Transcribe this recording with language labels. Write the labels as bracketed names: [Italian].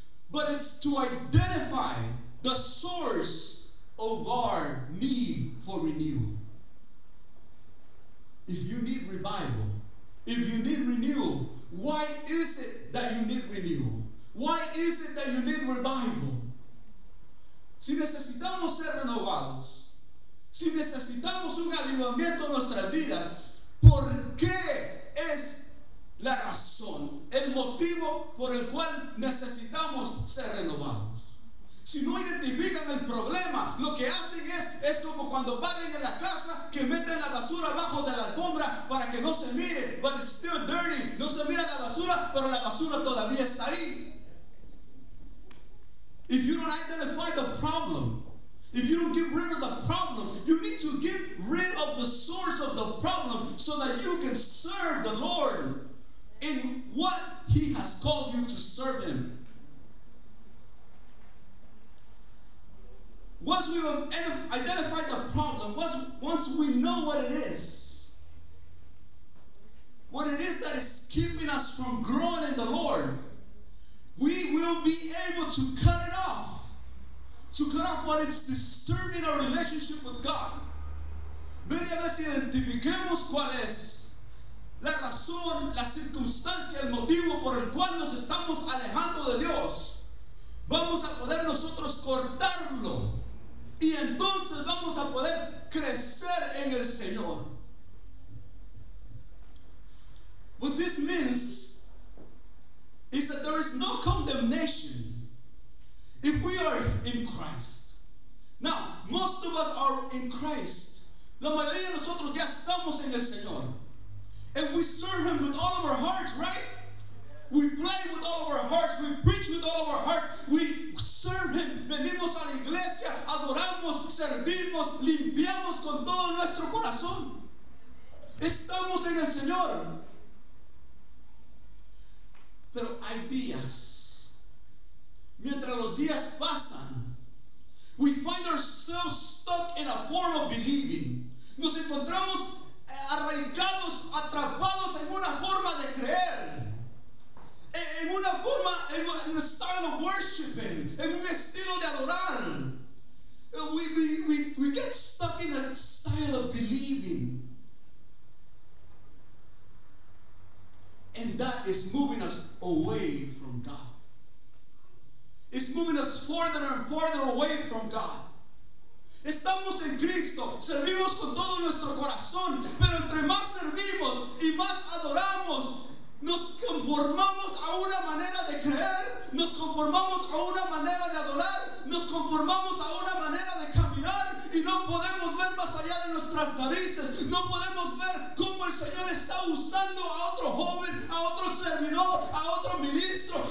[English] But it's to identify the source of our need for renewal. If you need revival, if you need renewal, why is it that you need renewal? Why is it that you need revival? [Spanish] Si necesitamos ser renovados, si necesitamos un avivamiento en nuestras vidas, ¿por qué es la razón, el motivo por el cual necesitamos ser renovados? Si no identifican el problema, lo que hacen es como cuando barren en la casa, que meten la basura abajo de la alfombra para que no se mire, [English] but it's still dirty. [Spanish] No se mira la basura, pero la basura todavía está ahí. [English] If you don't identify the problem, if you don't get rid of the problem, you need to get rid of the source of the problem so that you can serve the Lord in what He has called you to serve Him. Once we have identified the problem, once we know what it is that is keeping us from growing in the Lord, we will be able to cut it off. To cut off what is disturbing our relationship with God. Many of us [Spanish] identifiquemos cuál es la razón, la circunstancia, el motivo por el cual nos estamos alejando de Dios. Vamos a poder nosotros cortarlo. Y entonces vamos a poder crecer en el Señor. [English] What this means is that there is no condemnation if we are in Christ. Now, most of us are in Christ. [Spanish] La mayoría de nosotros ya estamos en el Señor. [English] And we serve Him with all of our hearts, right? We play with all of our hearts. We preach with all of our hearts. We serve Him. [Spanish] Venimos a la iglesia, adoramos, servimos, limpiamos con todo nuestro corazón. Estamos en el Señor. Pero hay días, mientras los días pasan, [English] we find ourselves stuck in a form of believing. [Spanish] Nos encontramos arraigados, atrapados en una forma de creer, en una forma, en un [English] style of worshiping, [Spanish] en un estilo de adorar. [English] We get stuck in a style of believing. And that is moving us away from God. It's moving us further and further away from God. [Spanish] Estamos en Cristo, servimos con todo nuestro corazón, pero entre más servimos y más adoramos, nos conformamos a una manera de creer, nos conformamos a una manera de adorar, nos conformamos a una manera de caminar y no podemos ver más allá de nuestras narices, no podemos ver cómo el Señor está usando a otro joven, a otro servidor, a otro ministro.